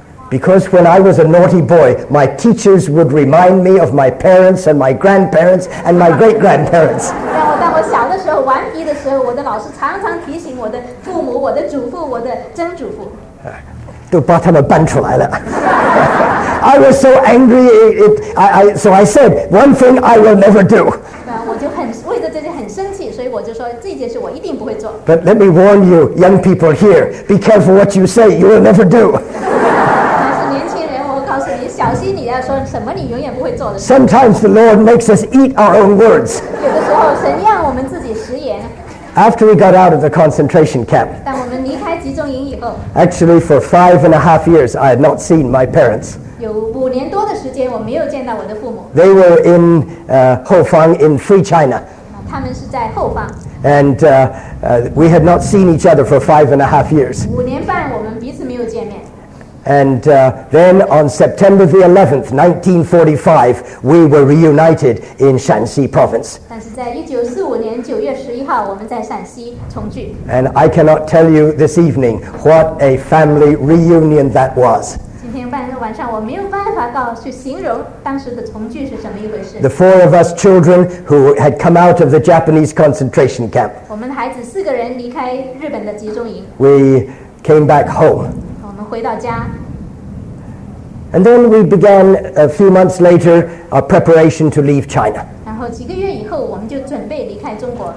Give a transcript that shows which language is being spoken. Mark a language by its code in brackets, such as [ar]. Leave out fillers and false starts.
[en] ？Because when I was a naughty boy, my teachers would remind me of my parents and my grandparents and my great grandparents. [zh] 当我小的时候顽皮的时候，我的老师常常提醒我的父母、我的祖父、我的曾祖父。都把他们搬出来了。 [en] I was so angry. So I said one thing I will never do. [zh] 我就很为着这些很生气。所以我就说这件事我一定不会做。 [en] But let me warn you, young people here, be careful what you say. You will never do. [zh] 但是年轻人，我告诉你，小心你要说什么，你永远不会做的。 [en] Sometimes the Lord makes us eat our own words. [zh] 有的时候，神让我们自己食言。 [en] After we got out of the concentration camp. [zh] 当我们离开集中营以后。 [en] Actually, for 5.5 years, I had not seen my parents. [zh] 有五年多的时间，我没有见到我的父母。 [en] They were in Hofang in Free China. [zh] 他们是在后方。 [en] And we had not seen each other for 5.5 years. [zh] 五年半我们彼此没有见面。 [en] And then on September the 11th, 1945, we were reunited in Shanxi province. [zh] 但是在1945年9月11号，我们在陕西重聚。 [en] And I cannot tell you this evening what a family reunion that was. [zh] 晚上我没有办法到去形容当时的重聚是什么一回事。 [en] The four of us children who had come out of the Japanese concentration camp. [zh] 我们孩子四个人离开日本的集中营。 [en] We came back home. [zh] 我们回到家。 [en] And then we began a few months later our preparation to leave China. [zh] 然后几个月以后我们就准备离开中国。